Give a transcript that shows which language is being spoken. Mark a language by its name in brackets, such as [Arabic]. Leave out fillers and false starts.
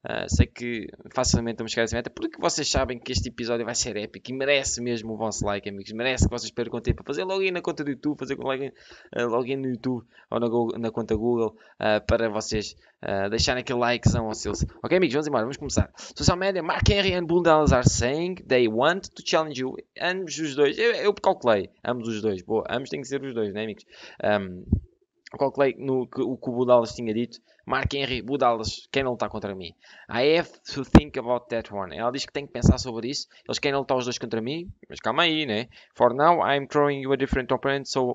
[Portuguese] Sei que facilmente vamos chegar a essa meta, porque vocês sabem que este episódio vai ser épico e merece mesmo o vosso like, amigos. Merece que vocês percam tempo para fazer login na conta do YouTube, fazer login no YouTube ou na conta Google, para vocês deixarem aquele likezão ao Silas. Ok, amigos, vamos embora, vamos começar. [English] Social media: Mark Henry and Bo Dallas are saying they want to challenge you. [Portuguese] Ambos os dois, eu calculei, ambos os dois, boa, ambos têm que ser os dois, né, amigos? Calculei no que o Bo Dallas tinha dito. Mark Henry, Bo Dallas, querem lutar contra mim. [English] I have to think about that one. [Portuguese] Ela diz que tem que pensar sobre isso. Eles querem lutar os dois contra mim. Mas calma aí, né? [English] For now, I'm throwing you a different opponent.